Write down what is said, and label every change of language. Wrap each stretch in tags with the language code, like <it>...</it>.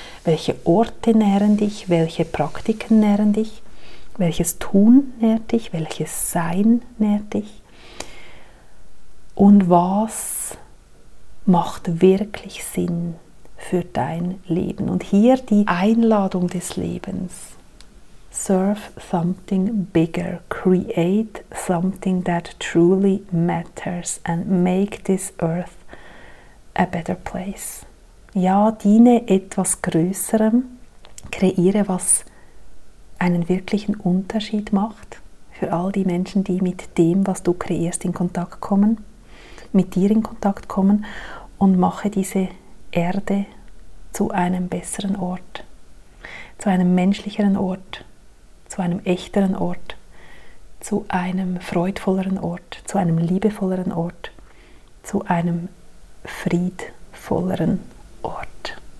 <de>Welche Orte nähren dich? Welche Praktiken nähren dich? Welches Tun nährt dich? Welches Sein nährt dich? Und was macht wirklich Sinn für dein Leben? Und hier die Einladung des Lebens.</de> <en>Serve something bigger. Create something that truly matters and make this earth a better place.</en> <de>Ja, diene etwas Größerem. Kreiere, was einen wirklichen Unterschied macht für all die Menschen, die mit dem, was du kreierst, in Kontakt kommen, mit dir in Kontakt kommen, und mache diese Erde zu einem besseren Ort, zu einem menschlicheren Ort, zu einem echteren Ort, zu einem freudvolleren Ort, zu einem liebevolleren Ort, zu einem friedvolleren Ort.</de>